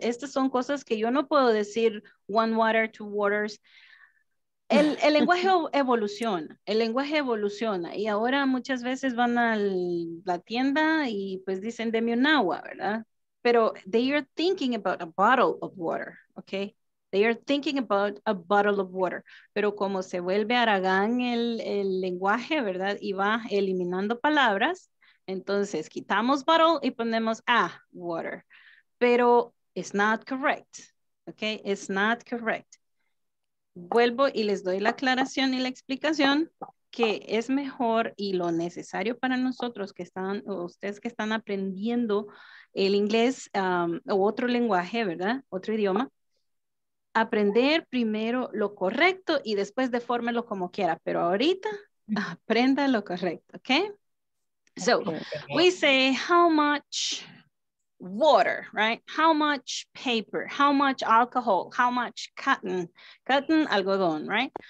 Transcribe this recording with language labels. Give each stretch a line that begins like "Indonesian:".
Spanish: Estas son cosas que yo no puedo decir
English: one water, two waters.
Spanish: El lenguaje evoluciona, el lenguaje evoluciona. Y ahora muchas veces van a la tienda y pues dicen, deme un agua, ¿verdad?
English: Pero they are thinking about a bottle of water, ¿ok? They are thinking about a bottle of water.
Spanish: Pero como se vuelve aragán el lenguaje, ¿verdad? Y va eliminando palabras. Entonces, quitamos bottle y ponemos a water.
English: Pero it's not correct. Okay, it's not correct.
Spanish: Vuelvo y les doy la aclaración y la explicación que es mejor y lo necesario para nosotros que están, o ustedes que están aprendiendo el inglés o otro lenguaje, ¿verdad? Otro idioma. Aprender primero lo correcto y después defórmelo como quiera, pero ahorita aprenda lo correcto, ¿ok?
English: So, we say how much water, right? How much paper, how much alcohol, how much cotton, cotton, algodón, right?